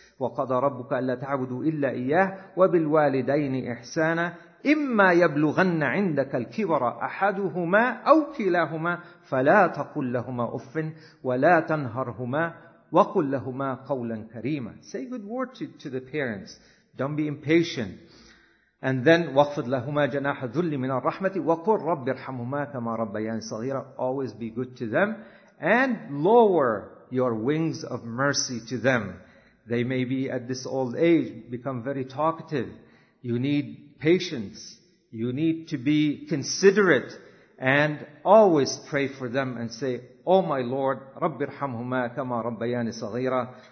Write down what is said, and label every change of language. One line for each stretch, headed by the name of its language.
Arabic: وَقَضَى رَبُّكَ أَلَّا تَعْبُدُوا إِلَّا إِيَّاهُ وَبِالْوَالِدَيْنِ إِحْسَانًا إِمَّا يَبْلُغَنَّ عِنْدَكَ الْكِبَرَ أَحَدُهُمَا أَوْ كِلَاهُمَا فَلَا تَقُلْ لَهُمَا أُفٍّ وَلَا تَنْهَرْهُمَا وَقُلْ لَهُمَا قَوْلًا كَرِيمًا.
English: Say good word to the parents. Don't be impatient. And then,
Arabic: وَخْفِضْ لَهُمَا جَنَاحَ ذُلِّ مِنَ الرَّحْمَةِ وَقُلْ رَبِّ ارْحَمُهُمَا كَمَا رَبَّيَانِ صَغِيرًا.
English: Always be good to them. And lower your wings of mercy to them. They may be at this old age, become very talkative. You need patience. You need to be considerate. And always pray for them and say, Oh my Lord,
Arabic: رَبِّ ارْحَمْهُمَا كَمَا رَبَّيَانِ صَغِيرًا.